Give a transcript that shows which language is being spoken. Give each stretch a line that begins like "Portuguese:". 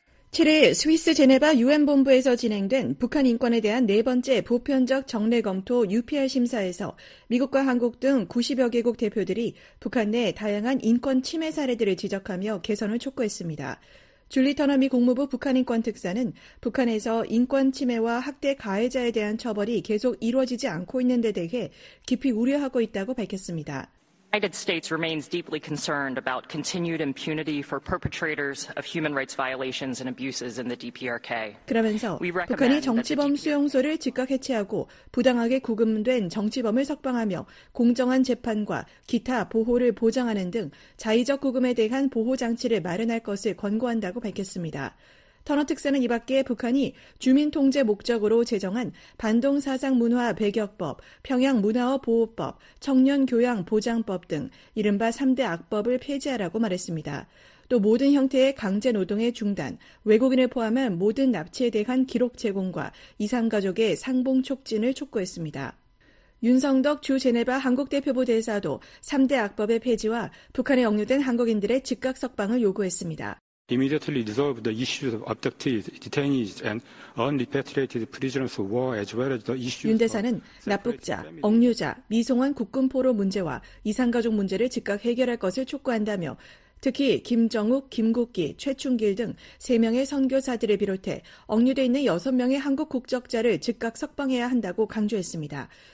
Korean: 7일 스위스 제네바 UN 본부에서 진행된 북한 인권에 대한 네 번째 보편적 정례 검토 UPR 심사에서 미국과 한국 등 90여 개국 대표들이 북한 내 다양한 인권 침해 사례들을 지적하며 개선을 촉구했습니다. 줄리 터너미 국무부 북한인권특사는 북한에서 인권침해와 학대 가해자에 대한 처벌이 계속 이루어지지 않고 있는 데 대해 깊이 우려하고 있다고 밝혔습니다.
English: United States remains deeply concerned about continued impunity for perpetrators of human rights violations and abuses in the DPRK.
Korean: 그러면서 북한이 정치범 수용소를 즉각 해체하고 부당하게 구금된 정치범을 석방하며 공정한 재판과 기타 보호를 보장하는 등 자의적 구금에 대한 보호 장치를 마련할 것을 권고한다고 밝혔습니다. 터너 특사는 이 밖에 북한이 주민 통제 목적으로 제정한 반동 사상 문화 배격법, 평양 문화어 보호법, 청년 교양 보장법 등 이른바 3대 악법을 폐지하라고 말했습니다. 또 모든 형태의 강제 노동의 중단, 외국인을 포함한 모든 납치에 대한 기록 제공과 이산가족의 상봉 촉진을 촉구했습니다. 윤성덕 주 제네바 한국대표부 대사도 3대 악법의 폐지와 북한에 억류된 한국인들의 즉각 석방을 요구했습니다.
English: Immediately resolve the issues of abductees, detainees, and unrepatriated prisoners of war, as well as the issues.
Korean: 윤 대사는 납북자, 억류자, 미송환 국군 포로 문제와 이산가족 문제를 즉각 해결할 것을 촉구한다며, 특히 김정욱, 김국기, 최충길 등 세 명의 선교사들을 비롯해 억류돼 있는 여섯 명의 한국 국적자를 즉각 석방해야 한다고 강조했습니다.